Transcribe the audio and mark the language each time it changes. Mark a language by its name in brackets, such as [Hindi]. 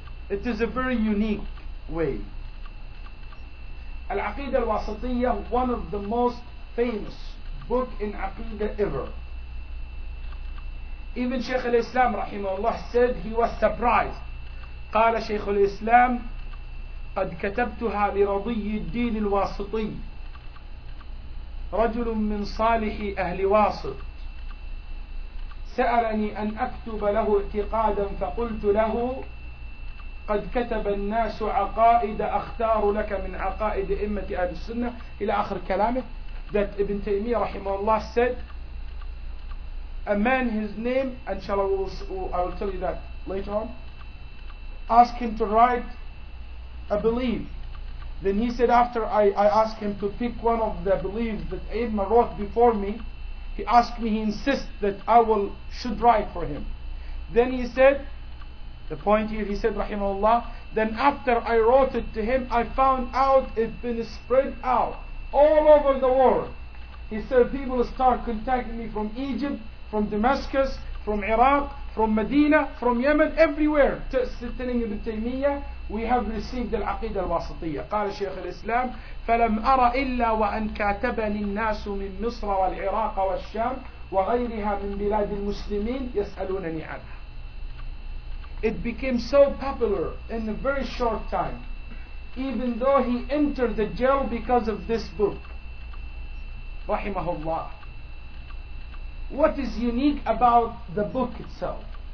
[English] It is a very unique way. Al-Aqidah al-Wasatiyah, one of the most famous book in Aqidah ever. Even Shaykh al-Islam rahimahullah said he was surprised. [Arabic] Qala Shaykh al-Islam, قد كتبتها لرضي الدين الواسطي رجل من صالح أهل واسط سألني أن أكتب له اعتقادا فقلت له قد كتب الناس عقائد أختار لك من عقائد أئمة أهل السنة إلى آخر كلامه. [English] That Ibn Taymiyyah [Arabic] رحمه الله [English] said a man, his name, inshallah I will tell you that later on, ask him to write a belief. Then he said, after I asked him to pick one of the beliefs that Aima wrote before me, he asked me, he insists that I will should write for him. Then he said, the point here, he said, Rahimahullah, then after I wrote it to him, I found out it's been spread out all over the world. He said, people start contacting me from Egypt, from Damascus, from Iraq, from Medina, from Yemen, everywhere, telling Ibn Taymiyyah, we have received the Aqidah al-Wasatiyah. [Arabic] قال شيخ الإسلام فلم أرى إلا وأن كاتبني الناس من مصر والعراق والشام وغيرها من بلاد المسلمين يسألونني عنها. [English] It became so popular in a very short time, even though he entered the jail because of this book. [Arabic] رحمه الله. [English] What is unique about the book itself?